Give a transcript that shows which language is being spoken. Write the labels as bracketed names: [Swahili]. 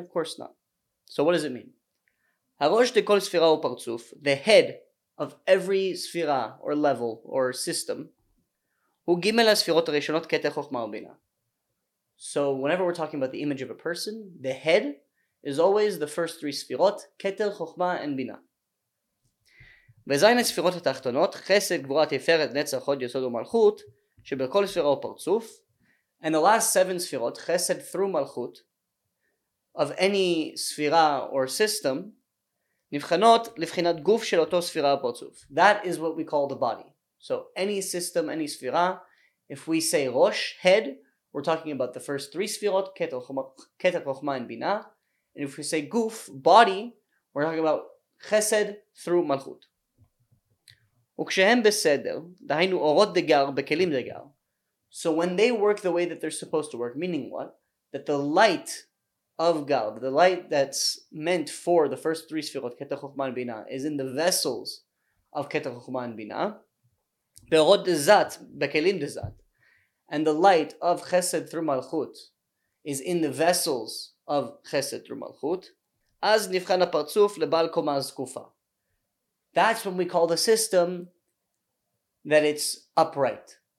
[English] Of course not. So what does it mean? [Hebrew] Harosh de kol sfira uparzuf, [English] the head of every sfira or level or system, [Hebrew] hu gimel hasfirot hareshonot keter chokhma ubina. [English] So whenever we're talking about the image of a person, the head is always the first three sfirot, keter, chokhma, and bina. [Hebrew] וזיין הספירות התחתונות, חסד, גבורה, תפארת, נצח, הוד, יסוד ומלכות, שבכל ספירה הוא פרצוף. [English] And the last seven ספירות, חסד through מלכות, of any ספירה or system, [Hebrew] נבחנות לבחינת גוף של אותו ספירה הפרצוף. [English] That is what we call the body. So any system, any ספירה, if we say ראש, head, we're talking about the first three ספירות, קטר, חוכמה, and בינה. And if we say גוף, body, we're talking about חסד through מלכות. [Hebrew] וכשהם בסדר, דהיינו אורות דגר בכלים דגר. [English] So when they work the way that they're supposed to work, meaning what? That the light of gar, the light that's meant for the first three ספירות, קטר חוכמה ובינה, is in the vessels of קטר חוכמה ובינה, [Hebrew] באורות דזת, בכלים דזת, [English] and the light of חסד through מלכות is in the vessels of חסד through מלכות, [Hebrew] אז נבחן הפרצוף לבעל קומה זקופה. [English] That's when we call the system that it's upright.